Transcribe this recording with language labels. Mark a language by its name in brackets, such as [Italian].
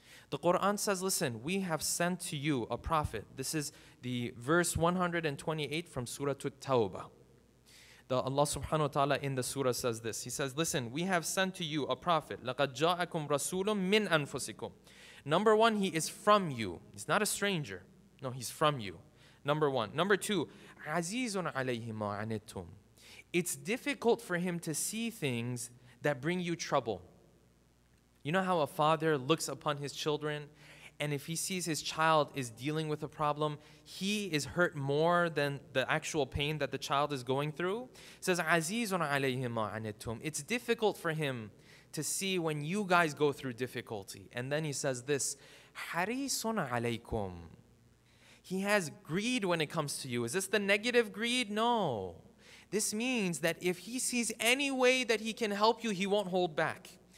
[English] The Quran says, listen, we have sent to you a prophet. This is the verse 128 from Surah At-Tawbah. Allah subhanahu wa ta'ala in the surah says this. He says, listen, we have sent to you a prophet. [Arabic] لَقَدْ جَاءَكُمْ رَسُولٌ مِّنْ أَنفُسِكُمْ. [English] Number one, he is from you. He's not a stranger. No, he's from you. Number one. Number two, [Arabic] عَزِيزٌ عَلَيْهِ مَا عَنِتُمْ. [English] It's difficult for him to see things that bring you trouble. You know how a father looks upon his children, and if he sees his child is dealing with a problem, he is hurt more than the actual pain that the child is going through? It says, [Arabic] عَزِيزٌ عَلَيْهِ مَا عَنِتُمْ. [English] It's difficult for him to see when you guys go through difficulty. And then he says this, [Arabic] حَرِيسٌ عَلَيْكُمْ. [English] He has greed when it comes to you. Is this the negative greed? No. This means that if he sees any way that he can help you, he won't hold back.